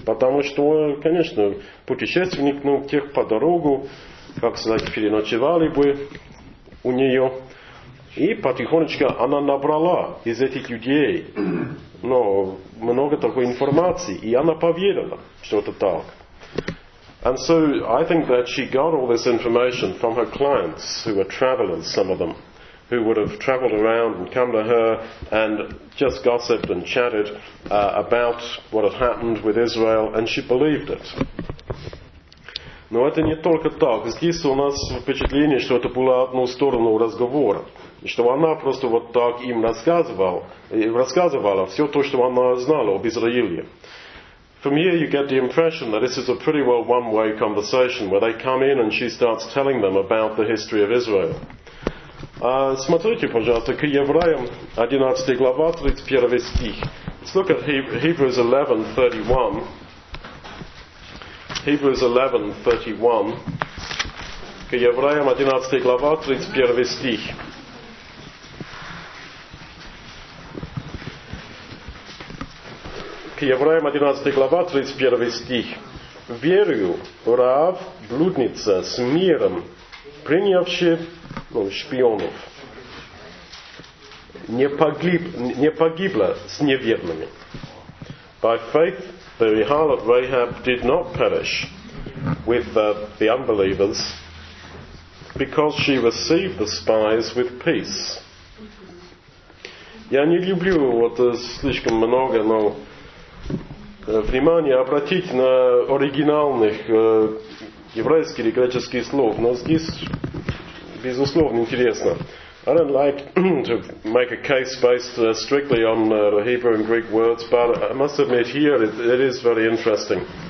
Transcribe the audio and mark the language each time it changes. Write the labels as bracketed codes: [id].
[ru] Потому что, конечно, путешественник, ну, тех по дорогу, как сказать, переночевали бы у нее. И потихонечку она набрала из этих людей, ну, много такой информации. И она поверила, что это так. [en] And so I think that she got all this information from her clients, who were travelers, some of them, who would have traveled around and come to her and just gossiped and chatted about what had happened with Israel, and she believed it. [ru] Но это не только так. Здесь у нас впечатление, что это было одну сторону разговора. Что она просто вот так им рассказывала все то, что она знала об Израиле. [en] From here you get the impression that this is a pretty well one-way conversation where they come in and she starts telling them about the history of Israel. [ru] Смотрите, пожалуйста, к евреям, 11 глава, 31 стих. [en] Let's look at Hebrews 11, 31. Hebrews 11, 31. [ru] К евреям, 11 глава, 31 стих. К евреям, 11 глава, 31 стих. Верую, Раав, блудница, с миром, принявши, ну, шпионов. не погибла с неверными. [en] By faith, the harlot Rahab did not perish with the unbelievers, because she received the spies with peace. [ru] Я не люблю вот слишком много, но внимание обратить на оригинальных еврейских или греческих слов. Но здесь безусловно интересно. [en] I don't like to make a case based strictly on Hebrew and Greek words, but I must admit here it is very interesting.